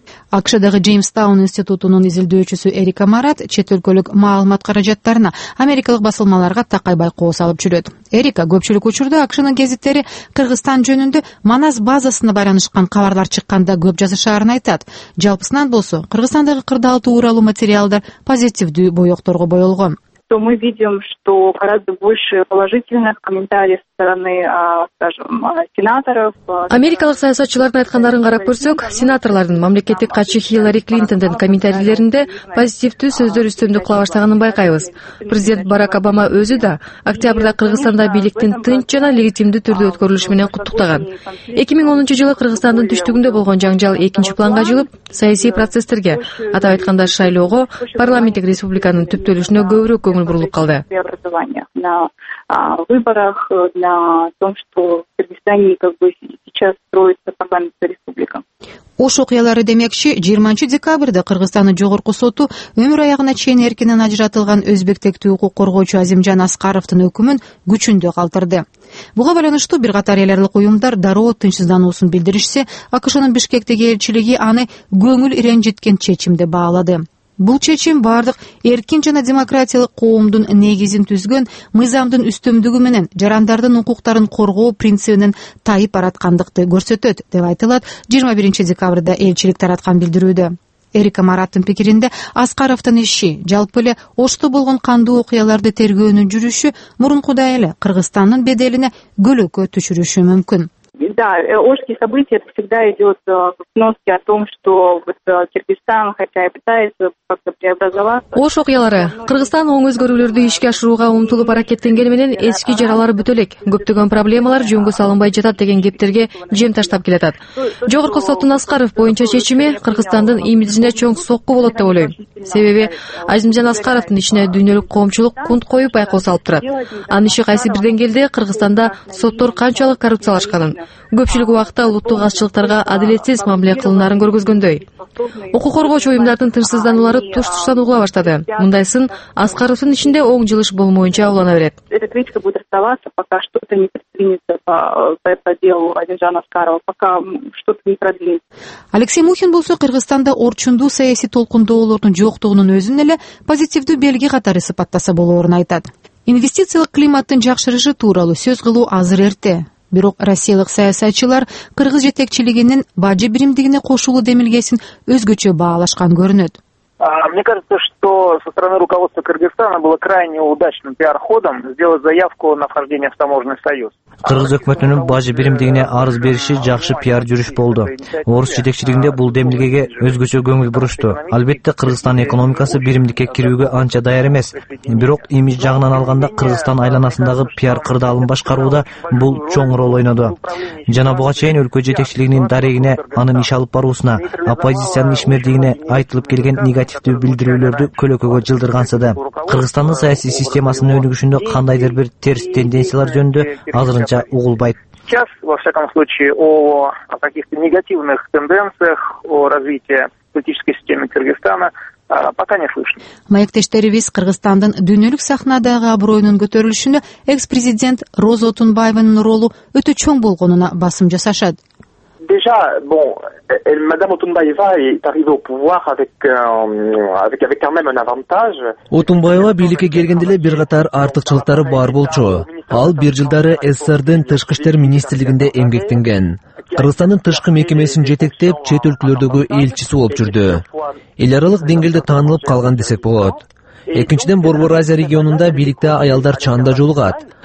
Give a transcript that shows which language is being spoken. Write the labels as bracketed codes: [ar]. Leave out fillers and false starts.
[ky] АКШ-дагы Джеймстаун институтунун изилдөөчүсү Эрика Марат чет өлкөлүк маалымат каражаттарына америкалык басылмаларга такай байкоо салып жүрөт. Эрика, көпчүлүк учурда АКШ-нын гезиттери Кыргызстан жөнүндө Манас базасына байланышкан кабарлар чыкканда көп жазышаарын айтат. Жалпысынан болсо, Кыргызстандагы кырдаал тууралуу материалдар позитивдүү боекторго боелгон. [ru] То мы видим, что гораздо больше положительных комментариев со стороны, скажем, сенаторов. [ky] Америкалык саясатчылардын айткандарын карап көрсөк, сенаторлордун мамлекеттик катчы Хиллари Клинтондун комментарийлеринде позитивдүү сөздөр үстөмдүк кыла баштаганын байкайбыз. Президент Барак Обама өзү да октябрда Кыргызстанда бийликтин тынч жана легитимдүү түрдө өткөрүлүшү менен куттуктаган. 2010 жылы Кыргызстандын түштүгүндө болгон жаңжал экинчи планга жылып, саясий процесстерге, атап айтканда шайлоого, парламенттик республиканын түптөлүшүнө көбүрөөк көңүл бурулуп калды. [ru] На выборах, на том, что в Кыргызстане как бы сейчас строится парламентская республика. [ky] Ош окуялары демекчи, 20 декабрда Кыргызстандын жогорку соту өмүр аягына чейин эркинен ажыратылган өзбек тектүү укук коргоочу Азимжан Аскаровдун өкүмүн күчүндө калтырды. Буга байланыштуу бир катар эл аралык уюмдар дароо тынчсыздануусун билдиришсе, АКШнын Бишкектеги элчилиги аны көңүл ренжиткен чечим деп баалады. Бул чечим бардык эркин жана демократиялык коомдун негизин түзгөн мыйзамдын үстөмдүгү менен жарандардын укуктарын коргоо принцибинин тайып бараткандыкты көрсөтөт, деп айтылат 21 декабрда элчилик тараткан билдирүүдө. Эрика Мараттын пикиринде Аскаровдун иши, жалпы эле Ошто болгон кандуу окуяларды тергөөнүн жүрүшү мурункудай эле Кыргызстандын беделине көлөкө түшүрүшү мүмкүн. [ru] Да, ошкие события, это всегда идет сноски о том, что вот Кыргызстан хотя и пытается как-то преобразоваться. [ky] Ош окуялары, Кыргызстан оң өзгөрүүлөрдү ишке ашырууга умтулуп аракеттенген менен эски жаралар бүтөлөк, көптөгөн проблемалар жөнгө салынбай жатат деген кептерге жем таштап келатат. Жогорку соттун Аскаров боюнча чечими Кыргызстандын имиджине чоң сокку болот деп ойлойм. Себеби Азимжан Аскаровдун ишине дүйнөлүк коомчулук кунт коюп байкоо салып турат. Анын иши кайсы бир деңгээлде Кыргызстанда соттор канчалык коррупциялашканын, көпчүлүк убакта улуттук азчылыктарга адилетсиз мамиле кылынарын көргөзгөндөй. Укук коргоочу уюмдардын тынчсыздануулары туш-туштан угула баштады. Мындай сын Аскаровдун ичинде оң жылыш болмоюнча улана берет. [ru] Эта кричка будет оставаться, пока что-то не предпринется по делу Азимжана Аскарова, пока что-то не продлится. [ky] Алексей Мухин болсо Кыргызстанда орчундуу саясий толкундоолордун жоктугунун өзүн эле позитивдүү белги катары сыпаттаса болоорун айтат. Инвестициялык климаттын жакшырышы тууралуу сөз кылуу азыр эрте. Бирок россиялык саясатчылар кыргыз жетекчилигинин бажы биримдигине кошулуу демилгесин өзгөчө баалашкан көрүнөт. [ru] Мне кажется, что со стороны руководства Кыргызстана было крайне удачным пиар-ходом сделать заявку на вхождение в таможенный союз. [ky] Кыргыз өкмөтүнүн бажы биримдигине арыз бериши жакшы пиар жүрүш болду. Орус жетекчилигинде бул демилгеге өзгөчө көңүл бурушту. Албетте, Кыргызстандын экономикасы биримдикке кирүүгө анча даяр эмес. Бирок имиж жагынан алганда Кыргызстан айланасындагы пиар кырдаалын башкарууда бул чоң рол ойноду. Жана буга чейин өлкө жетекчилигинин дарегине, анын иш алып баруусуна, оппозициянын ишмердигине айтылып келген негативдүү билдирүүлөрдү көлөкөгө жылдыргансыды. Кыргызстандын саясий системасынын өнүгүшүндө кандайдыр бир терс тенденциялар жөнүндө азырынча угулбайт. [ru] Сейчас, во всяком случае, о каких-то негативных тенденциях, о развитии политической системы Кыргызстана пока не слышно. [ky] Маектештерибиз Кыргызстандын дүйнөлүк сахнадагы абройунун көтөрүлүшүндө экс-президент Роза Отунбаевнын ролу өтө чоң болгонуна басым жасашат. [fr] Déjà, bon, Madame Otunbayeva est arrivée au pouvoir avec quand même un avantage. [ky] Otunbayeva бийликке келгенде эле бир катар артыкчылыктары бар болчу. Ал бир жылдары СССРдин тышкы иштер министрлигинде эмгектенген. Кыргызстандын тышкы мекемесин жетектеп, чет өлкөлөрдөгү элчиси болуп жүрдү. Эл аралык деңгээлде таанылып калган десек болот. Экинчиден, Борбор Азия регионунда бийликте аялдар чанда жолугат.